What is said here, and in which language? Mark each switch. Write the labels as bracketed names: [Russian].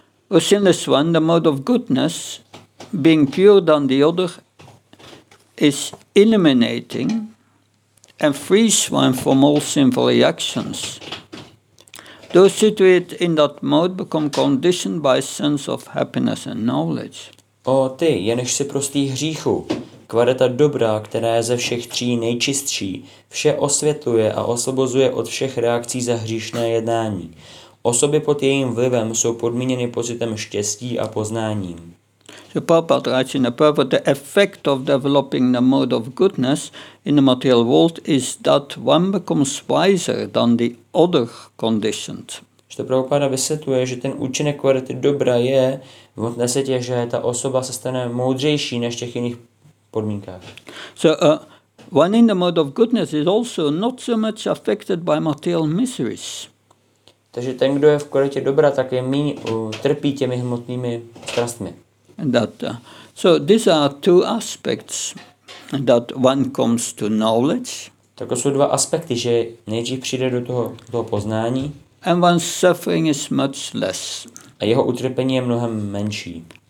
[English] O sinless one, the mode of goodness, being pure than the other, is illuminating and frees one from all sinful reactions. Those situated in that mode become conditioned by a sense of happiness and knowledge. [Czech] O ty, jenž si prostý hříchu, kvalita dobrá, která je ze všech tří nejčistší, vše osvětluje a osvobozuje od všech reakcí za hříšné jednání. Osoby pod jejím vlivem jsou podmíněny pocitem štěstí a poznáním. [English] The Prabhupada writes in the purport, the effect of developing the mode of goodness in the material world is that one becomes wiser than the other conditioned. [Czech] Že Prabhupada vysvětluje, že ten účinek kvality dobra je v hmotné světě, že ta osoba se stane moudřejší než těch jiných podmínkách. [English] So one in the mode of goodness is also not so much affected by material miseries. [Czech] Takže ten, kdo je v kvalitě dobra, tak je míň trpí těmi hmotnými strastmi. [English] So these are two aspects that one comes to knowledge. [Czech] Tak jsou dva aspekty, že nejdřív přijde do toho poznání. [English] And one's suffering is much less. [Czech] A jeho utrpení je mnohem menší.